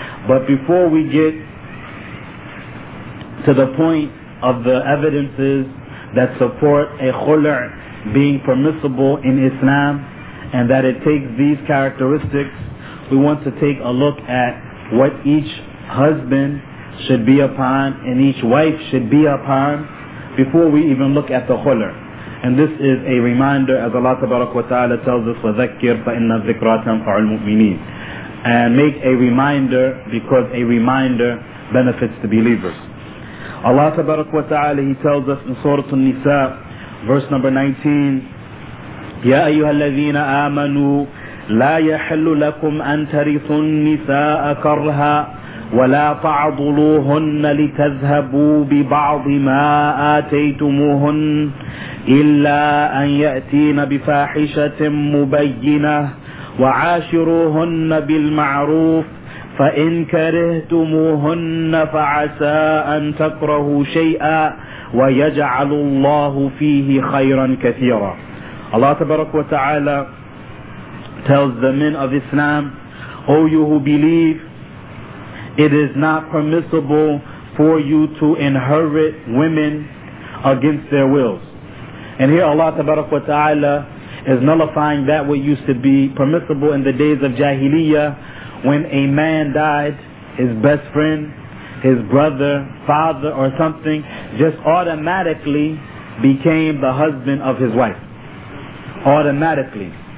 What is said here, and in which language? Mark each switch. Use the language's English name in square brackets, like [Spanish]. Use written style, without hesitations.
[English] But before we get to the point of the evidences that support a khulu' being permissible in Islam, and that it takes these characteristics, we want to take a look at what each husband should be upon and each wife should be upon before we even look at the khulu'. And this is a reminder, as Allah Tabarak wa Ta'ala tells us, [Arabic] وَذَكِّرْ فَإِنَّ الذِّكْرَى تَنْفَعُ الْمُؤْمِنِينَ, [English] and make a reminder because a reminder benefits the believers. Allah Tabarak wa Ta'ala, He tells us in Surah An-Nisa, verse number 19, [Arabic] يَا أَيُّهَا الَّذِينَ آمَنُوا لَا يَحِلُّ لَكُمْ أَن تَرِثُوا النِّسَاءَ كَرْهًا وَلَا تَعْضُلُوهُنَّ لِتَذْهَبُوا بِبَعْضِ مَا آتَيْتُمُوهُنَّ إِلَّا أَن يَأْتِينَ بِفَاحِشَةٍ مُبَيِّنَةٍ وَعَاشِرُوهُنَّ بِالْمَعْرُوفِ فَإِنْ كَرِهْتُمُوهُنَّ فَعَسَى أَن تَكْرَهُوا شَيْئًا وَيَجْعَلُ اللَّهُ فِيهِ خَيْرًا كَثِيرًا. [English] Allah Tabarak wa Ta'ala tells the men of Islam, O you who believe, it is not permissible for you to inherit women against their wills. And here Allah Tabarak wa Ta'ala is nullifying that what used to be permissible in the days of Jahiliyyah, when a man died, his best friend, his brother, father or something, just automatically became the husband of his wife. Automatically.